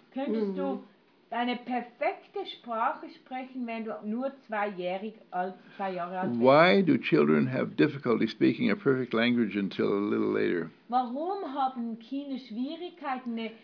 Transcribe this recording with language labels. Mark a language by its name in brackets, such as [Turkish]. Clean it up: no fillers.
[German] Könntest du eine perfekte Sprache sprechen, wenn du nur 2 jährig alt, 2 Jahre alt bist? [English] Why do children have difficulty speaking a perfect language until a little later? [German] Warum haben Kinder Schwierigkeiten, eine